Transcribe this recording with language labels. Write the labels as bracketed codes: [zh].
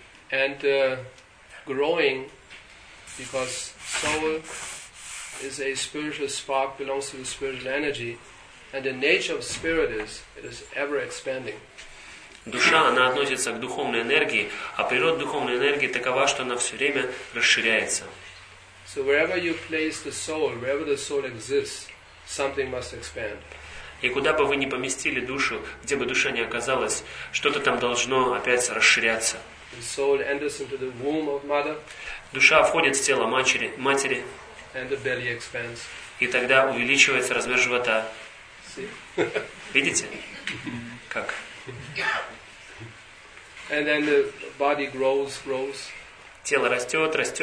[en] And growing, because soul is a spiritual spark, belongs to the spiritual energy, and the nature of spirit is, it is ever expanding. [ru] Душа, она относится к духовной энергии, а природа духовной энергии такова, что она все время расширяется. [en] So wherever you place the soul, wherever the soul exists, something must expand. [ru] И куда бы вы ни поместили душу, где бы душа ни оказалась, что-то там должно опять расширяться. [en] The soul enters into the womb of mother. [ru] Душа входит в тело матери. [en] And the belly expands. [ru] И тогда увеличивается размер живота. Видите? Как? [en] And then the body grows. [ru] Тело растет.